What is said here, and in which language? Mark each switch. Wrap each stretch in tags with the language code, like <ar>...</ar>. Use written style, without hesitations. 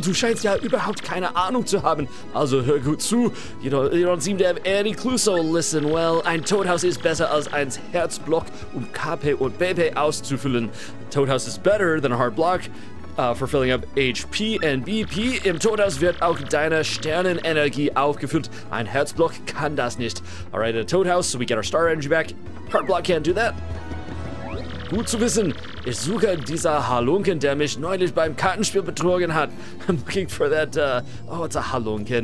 <de>Du scheinst ja überhaupt keine Ahnung zu haben. Also hör gut zu.</de> <en>You don't seem to have any clue, so listen well.</en> <de>Ein Toadhaus ist besser als ein Herzblock, KP und BP auszufüllen.</de> <en>Toadhaus is better than a hard block for filling up HP and BP.</en> <de>Im Toadhaus wird auch deine Sternenenergie aufgefüllt. Ein Herzblock kann das nicht.</de> <en>Alright, in a Toadhaus, so we get our star energy back. Hard block can't do that.</en> <de>Gut zu wissen. Ich suche dieser Halunken, der mich neulich beim Kartenspiel betrogen hat.</de> <en>I'm looking for that, oh, it's a Halunken.</en>